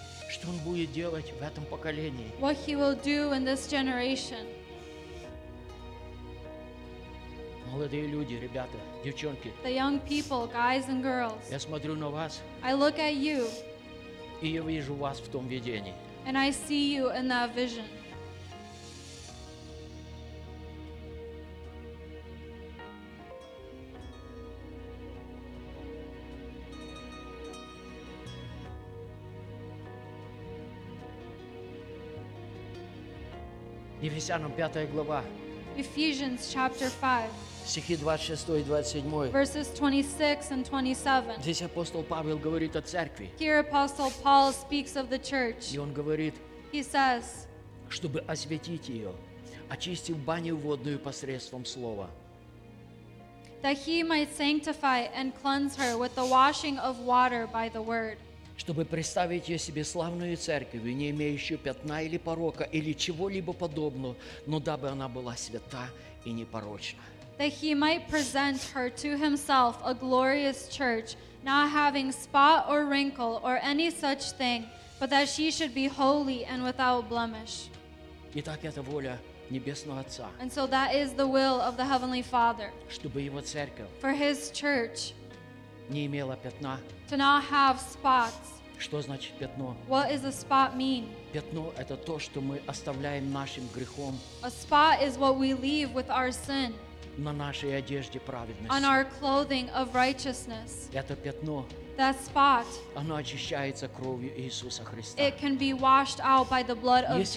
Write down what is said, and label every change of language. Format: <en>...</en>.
<ru>Что он будет делать в этом поколении.</ru> <en>What he will do in this generation.</en> <ru>Молодые люди, ребята, девчонки.</ru> <en>The young people, guys and girls.</en> <ru>Я смотрю на вас.</ru> <en>I look at you.</en> <ru>И я вижу вас в том видении.</ru> <en>And I see you in that vision.</en> <ru>Ефесянам 5 глава.</ru> <en>Ephesians chapter 5.</en> <ru>Стихи 26 и 27.</ru> <en>Verses 26 and 27.</en> <ru>Здесь апостол Павел говорит о церкви.</ru> <en>Here apostle Paul speaks of the church.</en> <ru>И он говорит,</ru> <en>he says,</en> <ru>чтобы освятить ее, очистив баню водную посредством слова.</ru> <en>That he might sanctify and cleanse her with the washing of water by the word.</en> <ru>Чтобы представить ее себе славную церковь, не имеющую пятна или порока, или чего-либо подобного, но дабы она была свята и непорочна.</ru> <en>That he might present her to himself a glorious church, not having spot or wrinkle or any such thing, but that she should be holy and without blemish.</en> <ru>Итак, это воля небесного Отца.</ru> <en>And so that is the will of the Heavenly Father.</en> <ru>Чтобы его церковь</ru> <en>for his church</en> <ru>не имела пятна.</ru> <en>To not have spots.</en> <ru>Что значит пятно?</ru> <en>What does a spot mean?</en> <ru>Пятно – это то, что мы оставляем нашим грехом.</ru> <en>A spot is what we leave with our sin.</en> <ru>На нашей одежде праведности.</ru> <en>On our clothing of righteousness.</en> <ru>Это пятно.</ru> <en>That spot.</en> <ru>Оно очищается кровью Иисуса Христа.</ru> <en>It can be washed out by the blood of Jesus.</en>